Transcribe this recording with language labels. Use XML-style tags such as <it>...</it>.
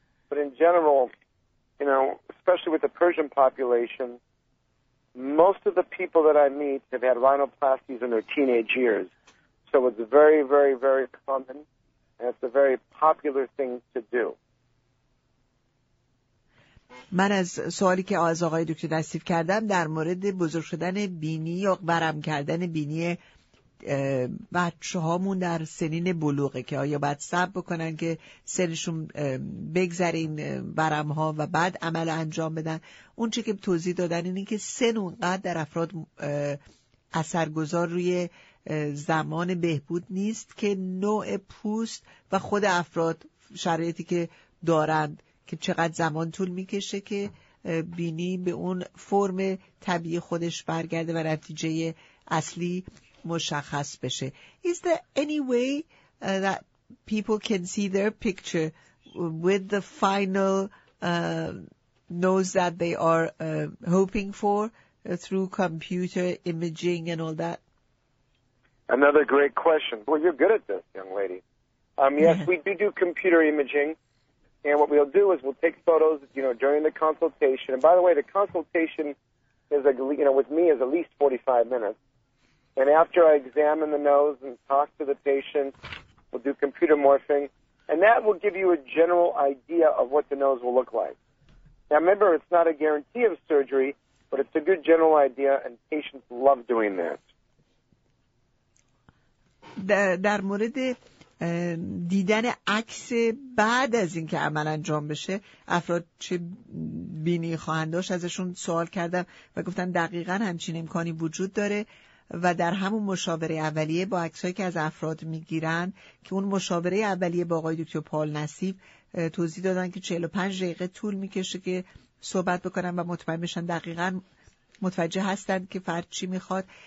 <en>But in general, you know, especially with the Persian population, most of the people that I meet have had rhinoplasties in their teenage years. So it's very, very, very common. And it's a very popular thing to do.</en> <fa>من از سوالی که از آقای دکتر دستیف کردم در مورد بزرگ شدن بینی یا ورم کردن بینی بچه هامون در سنین بلوغه که آیا باید صبر بکنن که سنشون بگذره این ورم ها و بعد عمل انجام بدن. اون چی که توضیح دادن اینه که سن اونقدر در افراد اثرگذار روی زمان بهبود نیست که نوع پوست و خود افراد شرایطی که دارند که چقدر زمان طول میکشه که بینی به اون فرم طبیعی خودش برگرده و نتیجه اصلی مشخص بشه.</fa> <en>Is there any way that people can see their picture with the final nose that they are hoping for through computer imaging and all that? Another great question. Well, you're good at this, young lady. Yes, we do computer imaging. And what we'll do is we'll take photos, you know, during the consultation. And by the way, the consultation is, you know, with me is at least 45 minutes. And after I examine the nose and talk to the patient, we'll do computer morphing. And that will give you a general idea of what the nose will look like. Now, remember, it's not a guarantee of surgery, but it's a good general idea, and patients love doing that.</en> <fa>در مورد دیدن عکس بعد از اینکه عمل انجام بشه افراد چه بینی خواهند داشت ازشون سوال کردم و گفتن دقیقا همچین امکانی وجود داره و در همون مشاوره اولیه با عکسایی که از افراد میگیرن که اون مشاوره اولیه با آقای دکتر پال نصیب توضیح دادن که 45 دقیقه طول میکشه که صحبت بکنن و مطمئن بشن دقیقا متوجه هستن که فرد چی میخواد.</fa>